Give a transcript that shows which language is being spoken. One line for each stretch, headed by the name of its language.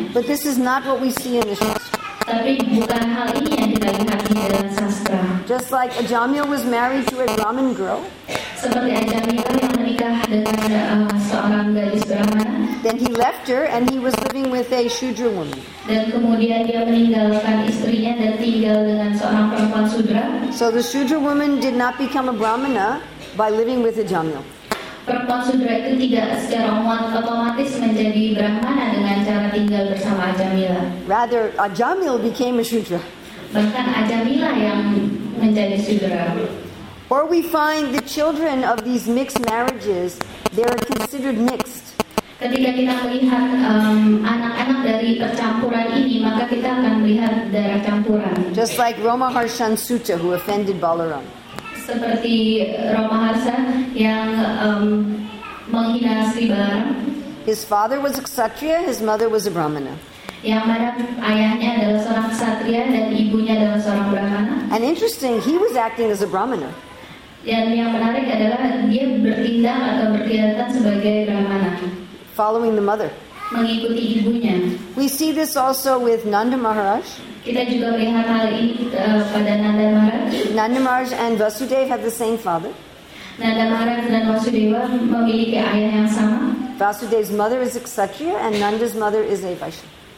English: But this is not what we see in the shastra.
Indonesian: Tapi bukan hal ini yang kita lihat di dalam sastra.
English: Just like Ajamil was married to a Brahmin girl.
Indonesian: Seperti Ajamil yang menikah dengan seorang gadis Brahmana.
English: Then he left her and he was living with a Shudra woman.
Indonesian: Dan kemudian dia meninggalkan istrinya dan tinggal dengan seorang perempuan Shudra.
English: So the Shudra woman did not become a Brahmana by living with Ajamil.
Indonesian: Perempuan Shudra itu tidak secara otomatis menjadi Brahmana dengan cara tinggal bersama Ajamila.
English: Rather, Ajamil became a Shudra.
Indonesian: Bahkan Ajamila yang menjadi Shudra.
English: Or we find the children of these mixed marriages, they are considered mixed.
Indonesian: Ketika kita melihat anak-anak dari percampuran ini, maka kita akan melihat darah campuran.
English: Just like Roma Harshan Sutta, who offended Balaram.
Indonesian: Seperti Roma Harshan yang menghina Sri Balaram.
English: His father was a Kshatriya, his mother was a Brahmana.
Indonesian: Yang mana ayahnya adalah seorang Kshatriya dan ibunya adalah seorang Brahmana.
English: And interesting, he was acting as a Brahmana.
Indonesian: Dan yang menarik adalah dia bertindak atau berkelihatan sebagai Brahmana.
English: Following the mother.
Indonesian: Mengikuti ibunya.
English: We see this also with Nanda Maharaj.
Indonesian: Kita juga melihat hal ini pada Nanda Maharaj.
English: Nanda Maharaj and Vasudeva have the same father.
Indonesian: Nanda Maharaj dan Vasudeva memiliki ayah yang sama.
English: Vasudeva's mother is a Kshatriya and Nanda's mother is a Vaishya.